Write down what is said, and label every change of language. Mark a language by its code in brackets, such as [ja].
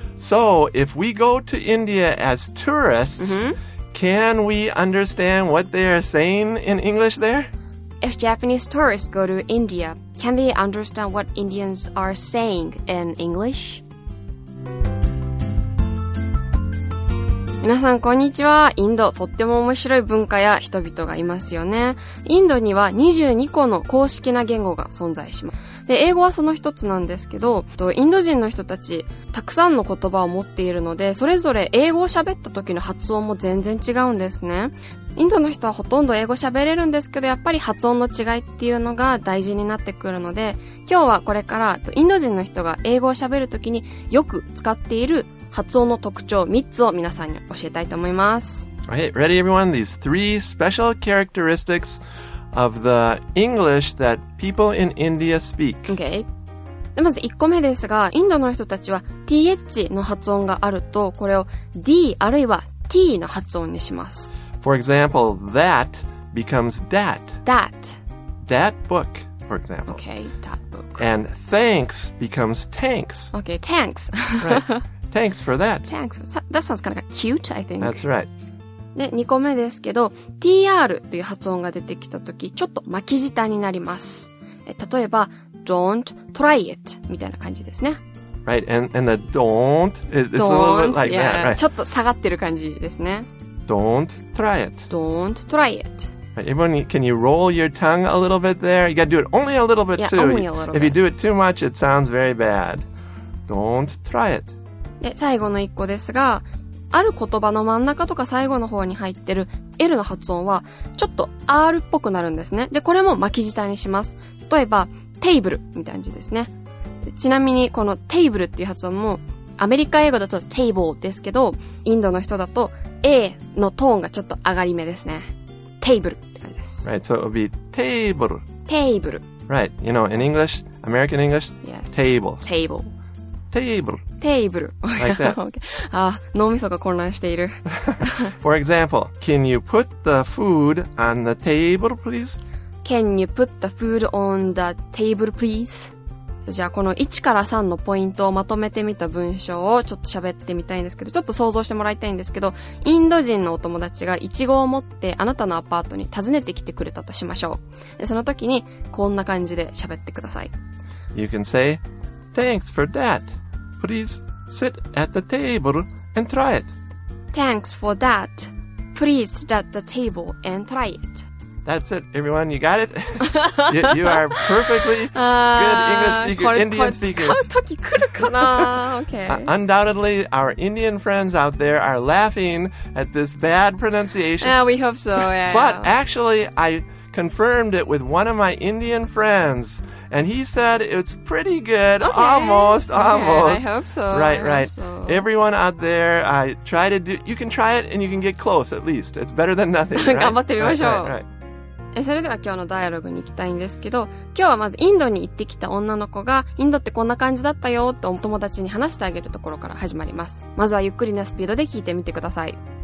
[en] So if we go to India as tourists... Mm-hmm. Can we understand what they are saying in English there? If Japanese tourists go to India, can they understand what Indians are saying in English? [ja] 皆さんこんにちは。インド、とっても面白い文化や人々がいますよね。インドには22個の公式な言語が存在します。で、英語はその一つなんですけど、インド人の人たち、たくさんの言葉を持っているので、それぞれ英語を喋った時の発音も全然違うんですね。インドの人はほとんど英語喋れるんですけど、やっぱり発音の違いっていうのが大事になってくるので、今日はこれから、インド人の人が英語を喋る時によく使っている発音の特徴3つを皆さんに教えたいと思います。 [en] Okay, ready everyone? These three special characteristics... of the English that people in India speak. Okay. [ja] で、まず1個目ですが、インドの人たちは TH の発音があると、これを D あるいは T の発音にします。 [en] For example, that becomes that. That. That book, for example. Okay, that book. And thanks becomes thanks. Okay, thanks. Right. Thanks for that. Thanks. That sounds kind of cute, I think. That's right. [ja] で、2個目ですけど、TR という発音が出てきたとき、ちょっと巻き舌になります。例えば、 [en] don't try it [ja] みたいな感じですね。 [en] Right, and the don't, it's don't, a little bit like yeah, [ja] ちょっと下がってる感じですね。 [en] Don't try it. Don't try it. Right, everyone, can you roll your tongue a little bit there? You gotta do it only a little bit yeah, too. Yeah, only a little bit. If you do it too much, it sounds very bad. Don't try it. [ja] で、最後の1個ですが、ある言葉の真ん中とか最後の方に入ってる L の発音はちょっと R っぽくなるんですね。で、これも巻き舌にします。例えば、テーブルみたいな感じですね。ちなみにこのテーブルっていう発音もアメリカ英語だと table ですけど、インドの人だと A のトーンがちょっと上がり目ですね。 table って感じです。 [en] Right, so it would be table. Table. Right, you know, in English, American English, yes. Table. Table. Table. Table. Like that. [ja] Ah, 脳みそが混乱している。 [en] For example, can you put the food on the table, please? Can you put the food on the table, please? [ja] じゃあこの1から3のポイントをまとめてみた文章をちょっと喋ってみたいんですけど、ちょっと想像してもらいたいんですけど、インド人のお友達がイチゴを持ってあなたのアパートに訪ねてきてくれたとしましょう。で、その時にこんな感じで喋ってください。 [en] You can say... Thanks for that. Please sit at the table and try it. Thanks for that. Please sit at the table and try it. That's it, everyone. You got it? you are perfectly good English speaker, Indian speakers. [ja] これ使う時来るかな?Okay. [en] Undoubtedly, our Indian friends out there are laughing at this bad pronunciation. Yeah, we hope so. Yeah, But actually, I confirmed it with one of my Indian friends. And he said it's pretty good, okay. almost, almost. Okay, I hope so. Right, I right. So. Everyone out there, I try to do, you can try it and you can get close at least. It's better than nothing, right? [ja] 頑張ってみましょう。 [en] Right, right, right. [ja] それでは今日のダイアログに行きたいんですけど、今日はまずインドに行ってきた女の子が、インドってこんな感じだったよとお友達に話してあげるところから始まります。まずはゆっくりなスピードで聞いてみてください。